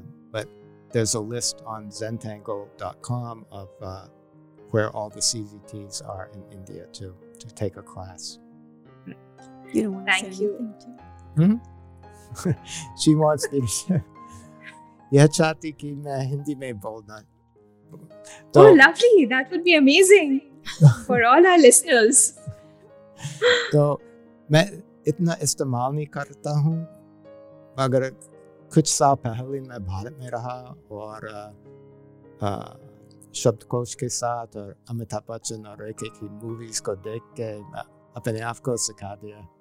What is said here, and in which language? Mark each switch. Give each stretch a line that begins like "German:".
English: But there's a list on zentangle.com of where all the CZTs are in India to take a class. You don't want to thank say you. Mm-hmm. She wants to share.
Hindi: Yeah, चाहती कि मैं हिंदी में बोलना.
English: Oh, lovely. That would be amazing for all our listeners.
Hindi: So, मैं इतना इस्तेमाल नहीं करता हूँ, मगर कुछ साल पहले मैं भारत में रहा और शब्दकोश के साथ और अमिताभ बच्चन और रेखा की movies को देख के अपने आप को सिखा दिया.